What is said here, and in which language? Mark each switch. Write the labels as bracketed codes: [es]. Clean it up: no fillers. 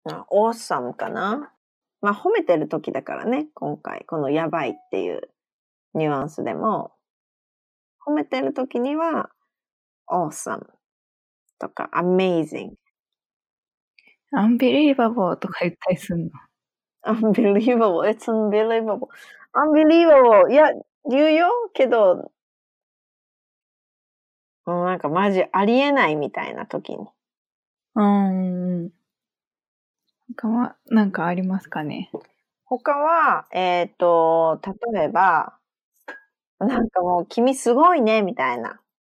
[ja] awesome かな。まあ、褒めてる時だからね、今回。このやばいっていうニュアンスでも。褒めてる時には、awesome とか、amazing。 unbelievable とか言ったりすんの。 [en] unbelievable, it's unbelievable. unbelievable! [ja] いや、言うよ、けど、なんかマジありえないみたいな時に。他は、なんかありますかね。他は、例えば、なんかもう君すごいね、みたいな。